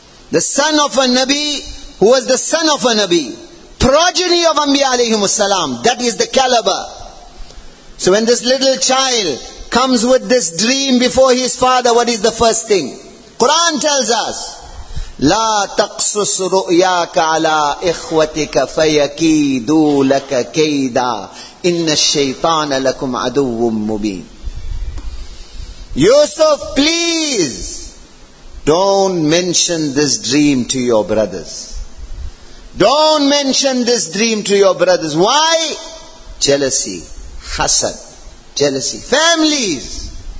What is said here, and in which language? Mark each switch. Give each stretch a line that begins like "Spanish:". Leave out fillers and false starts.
English: The son of a Nabi who was the son of a Nabi. Progeny of Anbiya alayhi salam. That is the caliber. So when this little child comes with this dream before his father, what is the first thing? Quran tells us,
Arabic: لا تقصص رؤياك على إخوتك فيكيدوا لك كيدا إن الشيطان لكم عدو مبين.
English: يوسف, please don't mention this dream to your brothers. Don't mention this dream to your brothers. Why? Jealousy, hasad, jealousy. Families.